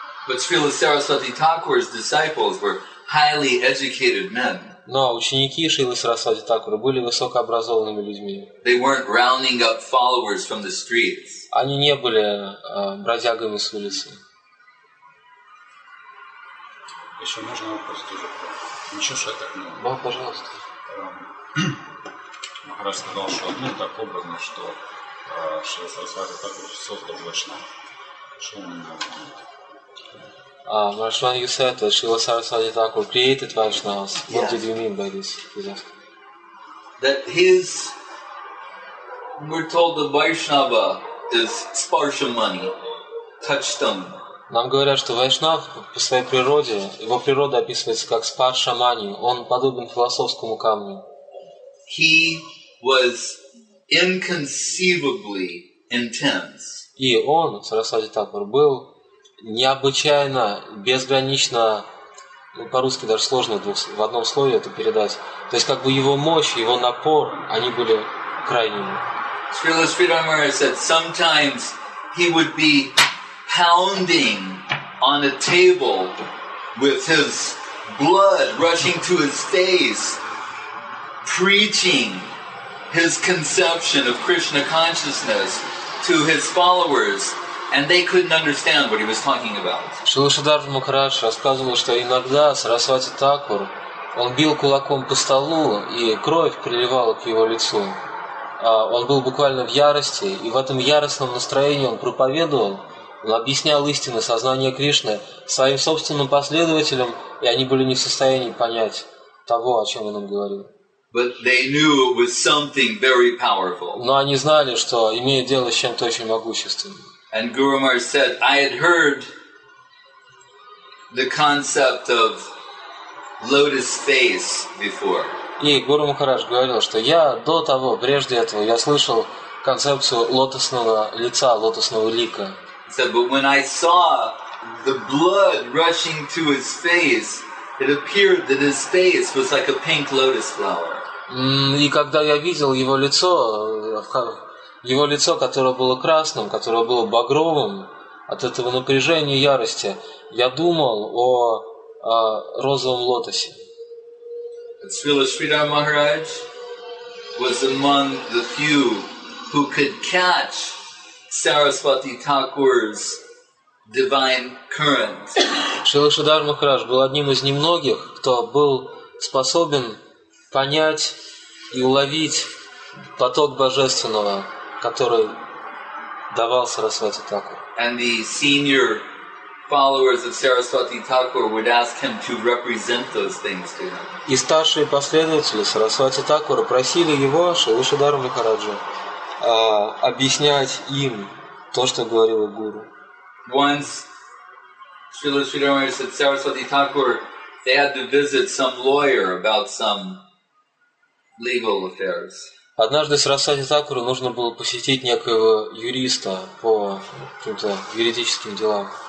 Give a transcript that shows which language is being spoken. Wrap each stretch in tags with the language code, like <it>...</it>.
<en>But Srila Saraswati Thakur's disciples were highly educated men.</en> <ru>Но ученики Шрилы Сарасвати Тхакура были высокообразованными людьми.</ru> <en>They weren't rounding up followers from the streets.</en> <ru>Они не были бродягами с улицы. Еще можно вопрос тоже? Ничего, что я так не могу. Да, пожалуйста. Махарадж сказал, что так образно, что Шрилы Сарасвати Тхакура создал вайшнава. Что он имел в виду?</ru> <en>When you said that Srila Saraswati Thakur created Vaishnavas, what yes. did you mean by this? Yes. That his, we're told the Vaishnava is sparsha money, touchstone.</en> <ru>Нам говорят, что Вайшнав по своей природе, его природа описывается как спарша мани, он подобен философскому камню.</ru> <en>He was inconceivably intense.</en> <ru>И он, Сарасвати Тхакур, был необычайно, безгранично, по-русски даже сложно в одном слове это передать. То есть как бы его мощь, его напор, они были крайними.</ru> <en>Srila Sridhar said sometimes he would be pounding on a table with his blood rushing to his face, preaching his conception of Krishna consciousness to his followers. And they couldn't understand what he was talking about.</en> <ru>Шрила Шридхара Махарадж рассказывал, что иногда Сарасвати Тхакур, он бил кулаком по столу, и кровь приливала к его лицу. Он был буквально в ярости, и в этом яростном настроении он проповедовал, он объяснял истины сознания Кришны своим собственным последователям, и они были не в состоянии понять того, о чем он им говорил.</ru> <en>But they knew it was something very powerful.</en> <ru>Но они знали, что имеют дело с чем-то очень могущественным.</ru> <en>And Guru Maharaj said, I had heard the concept of lotus face before.</en> <ru>И Гуру Махарадж говорил, что я до того, прежде этого, я слышал концепцию лотосного лица, лотосного лика.</ru> <en>He said, but when I saw the blood rushing to his face, it appeared that his face was like a pink lotus flower.</en> <ru>И когда я видел его лицо, которое было красным, которое было багровым от этого напряжения и ярости, я думал о розовом лотосе.</ru> <en>Srila Sridhar Maharaj was among the few who could catch Saraswati Thakur's divine current.</en> <ru>Srila Sridhar Maharaj был одним из немногих, кто был способен понять и уловить поток божественного, который давал Сарасвати Такур.</ru> <en>And the senior followers of Saraswati Thakur would ask him to represent those things to him.</en> <ru>И старшие последователи Сарасвати Такура просили его, Шрилу Шридхару Махараджу, объяснять им то, что говорил гуру.</ru> <en>Once Srila Sridhar Maharaj said Saraswati Thakur, they had to visit some lawyer about some legal affairs.</en> <ru>Однажды Сарасвати Такуру нужно было посетить некоего юриста по каким-то юридическим делам.</ru>